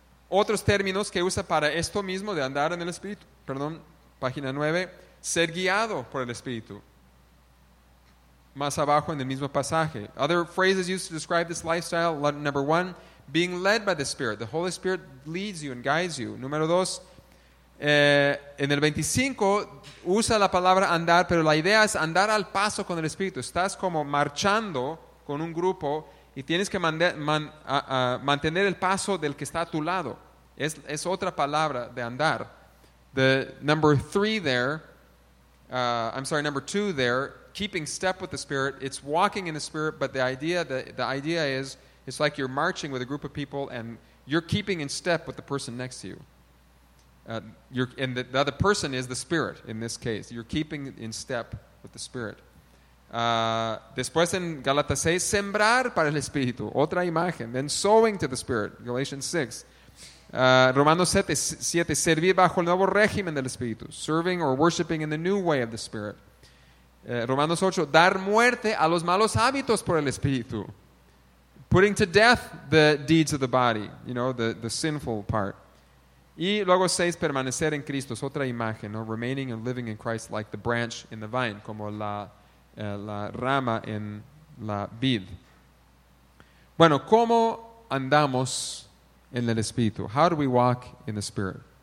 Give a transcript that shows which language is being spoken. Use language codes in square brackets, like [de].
[es] Otros términos que usa para esto mismo de andar en el Espíritu, página 9, ser guiado por el Espíritu. más abajo en el mismo pasaje. [en] Other phrases used to describe this lifestyle, number one, being led by the Spirit. The Holy Spirit leads you and guides you. [es] Número dos, en el 25 usa la palabra andar, pero la idea es andar al paso con el Espíritu. Estás como marchando con un grupo y tienes que mantener el paso del que está a tu lado. Es otra palabra de andar. [en] The number three there, number two there, keeping step with the Spirit. It's walking in the Spirit, but the idea is it's like you're marching with a group of people and you're keeping in step with the person next to you. The other person is the Spirit in this case. You're keeping in step with the Spirit. [es] Después en Galatas 6, sembrar para el Espíritu. Otra imagen. [en] Then sowing to the Spirit. Galatians 6. [es] Romanos 7, servir bajo el nuevo régimen del Espíritu. [en] Serving or worshiping in the new way of the Spirit. [es] Romanos 8, dar muerte a los malos hábitos por el Espíritu. [en] Putting to death the deeds of the body, you know, the sinful part. [es] Y luego 6, permanecer en Cristo, es otra imagen, ¿no? [en] Remaining and living in Christ like the branch in the vine, [es] como la rama en la vid. Bueno, ¿cómo andamos en el Espíritu? [en] How do we walk in the Spirit?